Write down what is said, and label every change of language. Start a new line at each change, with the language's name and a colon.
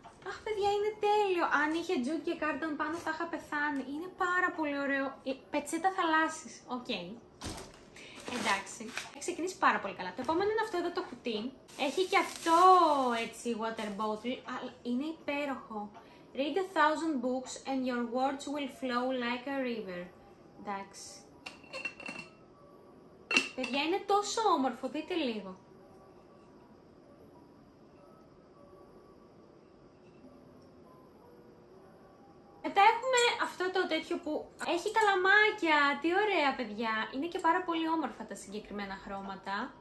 Greek: Αχ, παιδιά, είναι τέλειο. Αν είχε Jude και Cardon πάνω, θα είχα πεθάνει. Είναι πάρα πολύ ωραίο. Πετσέτα θαλάσσης. Οκ. Okay. Εντάξει. Έχει ξεκινήσει πάρα πολύ καλά. Το επόμενο είναι αυτό εδώ το κουτί. Έχει και αυτό έτσι, water bottle. Είναι υπέροχο.
English: Read 1000 books and your words will flow like a river.
Greek: Εντάξει. Παιδιά, είναι τόσο όμορφο. Δείτε λίγο. Μετά έχουμε αυτό το τέτοιο που έχει καλαμάκια, τι ωραία παιδιά, είναι και πάρα πολύ όμορφα τα συγκεκριμένα χρώματα.